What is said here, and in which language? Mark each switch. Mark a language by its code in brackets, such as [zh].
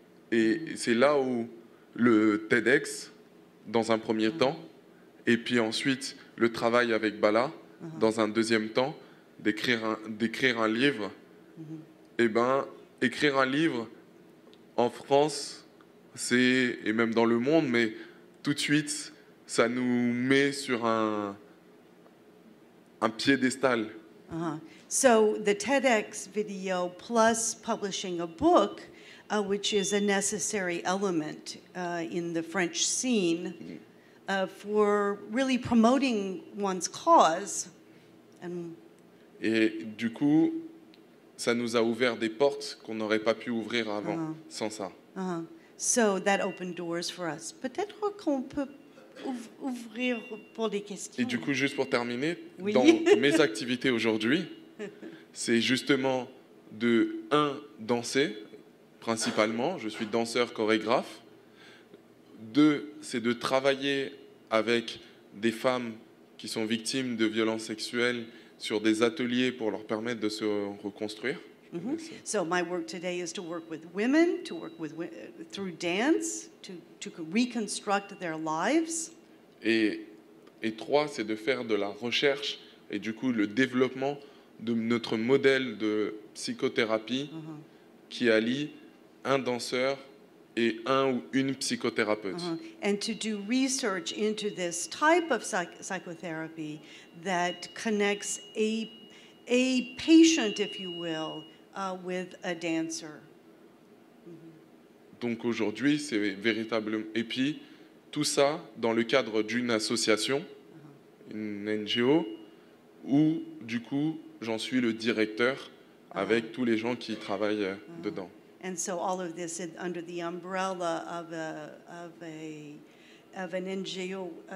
[fr] Et c'est là où le TEDx, dans un premier temps, et puis ensuite le travail avec Bala, dans un deuxième temps, d'écrire un livre. Mm-hmm. Eh ben, écrire un livre en France, c'est, et même dans le monde, mais tout de suite, ça nous met sur un piédestal. Uh-huh. [en] So the TEDx video plus publishing a book, which is a necessary element in the French scene for really promoting one's cause. [fr] Et du coup, ça nous a ouvert des portes qu'on n'aurait pas pu ouvrir avant sans ça. [en] So that opened doors for us. [fr] Peut-être qu'on peut ouvrir pour des questions. Et du coup, juste pour terminer, dans mes activités aujourd'hui, c'est justement de, un, danser, principalement. Je suis danseur, chorégraphe. Deux, c'est de travailler avec des femmes qui sont victimes de violences sexuelles sur des ateliers pour leur permettre de se reconstruire. [en] So my work today is to work with women, to work with through dance, to reconstruct their lives. [fr] Et trois, c'est de faire de la recherche et du coup le développement de notre modèle de psychothérapie qui allie un danseur et un ou une psychothérapeute. [en] And to do research into this type of psychotherapy that connects a patient, if you will, with a dancer. [fr] Donc aujourd'hui, c'est véritablement, et puis tout ça dans le cadre d'une association, une NGO, où du coup j'en suis le directeur avec tous les gens qui travaillent dedans. [en] And so all of this is under the umbrella of an NGO,